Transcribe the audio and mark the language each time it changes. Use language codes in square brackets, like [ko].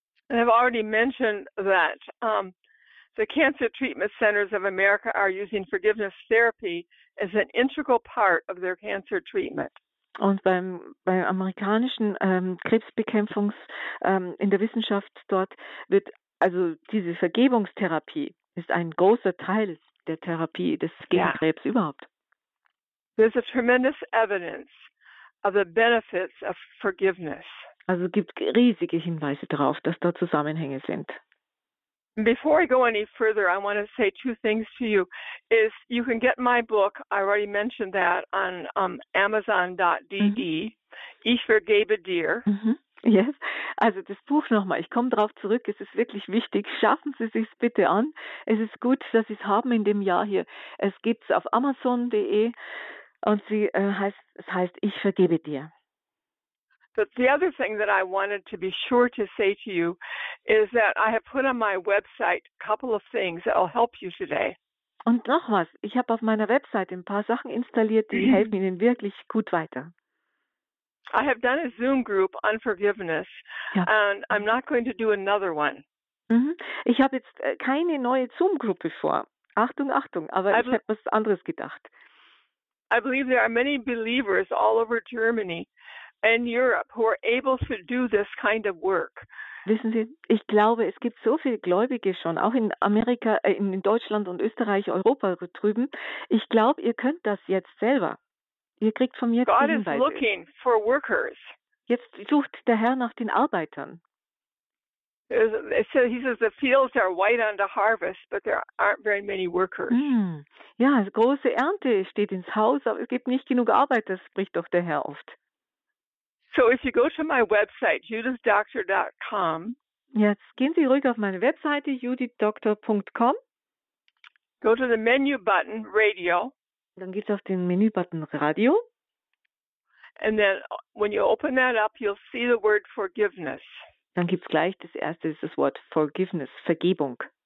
[en] I've already mentioned that the Cancer Treatment Centers of America are using forgiveness therapy as an integral part of their cancer treatment. [de] Und beim amerikanischen Krebsbekämpfungs in der Wissenschaft dort wird also diese Vergebungstherapie ist ein großer Teil der Therapie des Gegenkrebs überhaupt. [en] There's a tremendous evidence of the benefits of forgiveness. [de] Also gibt riesige Hinweise darauf, dass da Zusammenhänge sind. [en] Before I go any further, I want to say two things to you. Is you can get my book, I already mentioned that, on Amazon.de, Ich vergebe dir. [de] Yes, also das Buch nochmal, ich komme darauf zurück, es ist wirklich wichtig, schaffen Sie es sich bitte an. Es ist gut, dass Sie es haben in dem Jahr hier. Es gibt es auf Amazon.de und es heißt Ich vergebe dir. [en] But the other thing that I wanted to be sure to say to you is that I have put on my website a couple of things that will help you today. [de] Und noch was, ich habe auf meiner Website ein paar Sachen installiert, die helfen Ihnen wirklich gut weiter. [en] I have done a Zoom group on forgiveness, [de] ja. [en] And I'm not going to do another one. [de] Ich habe jetzt keine neue Zoom-Gruppe vor. Achtung, Achtung, aber ich habe was anderes gedacht. [en] I believe there are many believers all over Germany and Europe who are able to do this kind of work. [de] Wissen Sie, ich glaube, es gibt so viele Gläubige schon, auch in Amerika, in Deutschland und Österreich, Europa drüben. Ich glaube, ihr könnt das jetzt selber. Ihr kriegt von mir [en] God [de] Hinweise. [en] Is looking for workers. [de] Jetzt sucht der Herr nach den Arbeitern. [en] So he says the fields are white unto harvest, but there aren't very many workers. [de] Ja, große Ernte steht ins Haus, aber es gibt nicht genug Arbeiter, spricht doch der Herr oft. [en] So if you go to my website, judithdoctor.com. [de] Jetzt gehen Sie ruhig auf meine Webseite, judithdoctor.com. [en] Go to the menu button, radio. [de] Dann geht es auf den Menübutton Radio. [en] And then when you open that up, you'll see the word forgiveness. [de] Dann gibt es gleich das erste, ist das Wort Forgiveness, Vergebung.